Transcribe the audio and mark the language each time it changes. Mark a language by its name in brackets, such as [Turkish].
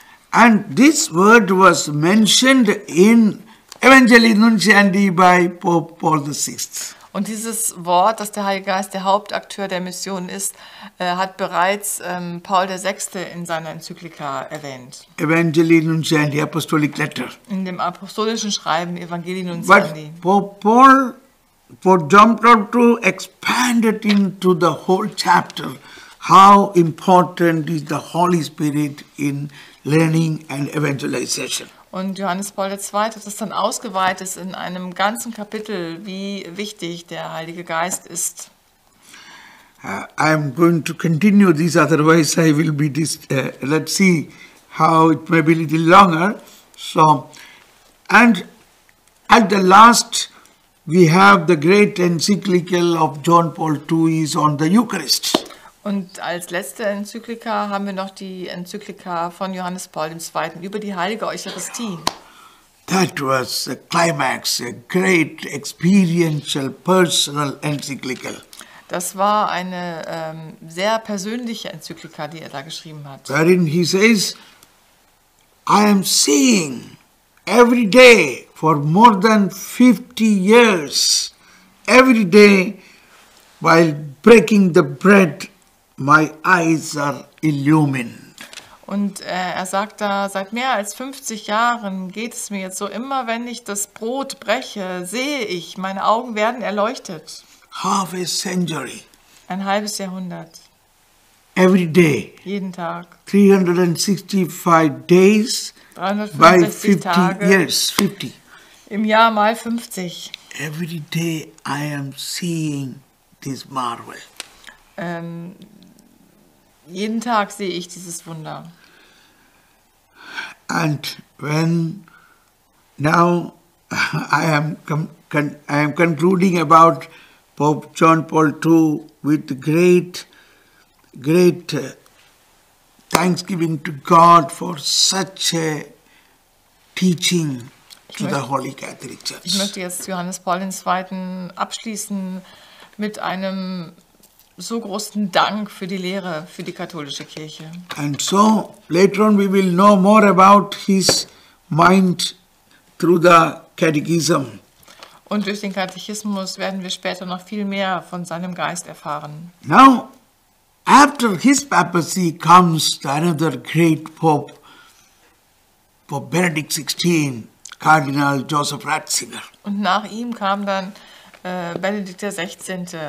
[English] And this word was mentioned in Evangelii Nuncii by Pope Paul VI. [German] Und dieses Wort, dass der Heilige Geist der Hauptakteur der Mission ist, hat bereits Paul VI. In seiner Enzyklika erwähnt. [English] Evangelii Nuncii Apostolic Letter. [German] In dem apostolischen Schreiben Evangelii Nuncii. [English] But Paul jumped on to expand it into the whole chapter. How important is the Holy Spirit in learning and evangelization? [German] Und Johannes Paul II. Hat es dann ausgeweitet in einem ganzen Kapitel, wie wichtig der Heilige Geist ist. [English] I'm going to continue this, otherwise I will be this. Let's see how it may be a little longer. So, and at the last, we have the great encyclical of John Paul II is on the Eucharist. [German] Und als letzte Enzyklika haben wir noch die Enzyklika von Johannes Paul II. Über die Heilige Eucharistie. [English] That was a climax, a great experiential personal encyclical. [German] Das war eine sehr persönliche Enzyklika, die er da geschrieben hat. [English] Wherein he says, I am seeing every day for more than 50 years, every day while breaking the bread, my eyes are illumined. [German] Und er sagt da, seit mehr als 50 Jahren geht es mir jetzt so, immer wenn ich das Brot breche, sehe ich, meine Augen werden erleuchtet. [English] Half a century. [German] Ein halbes Jahrhundert. [English] Every day. [German] Jeden Tag. [English] 365 days. 365 by [German] 50 Tage. [English] Years, 50. [German] Im Jahr mal 50. [English] Every day I am seeing this marvel. [German] Jeden Tag sehe ich dieses Wunder. [English] And when now I am concluding about Pope John Paul II with great thanksgiving to God for such a teaching to the Holy Catholic Church. [German] Ich möchte jetzt Johannes Paul II. Abschließen mit einem so großen Dank für die Lehre für die katholische Kirche. [English] And so later on we will know more about his mind through the catechism. [German] Und durch den Katechismus werden wir später noch viel mehr von seinem Geist erfahren. [English] Now after his papacy comes another great pope, Pope Benedict XVI, Cardinal Joseph Ratzinger. [German] Und nach ihm kam dann Benedikt der 16.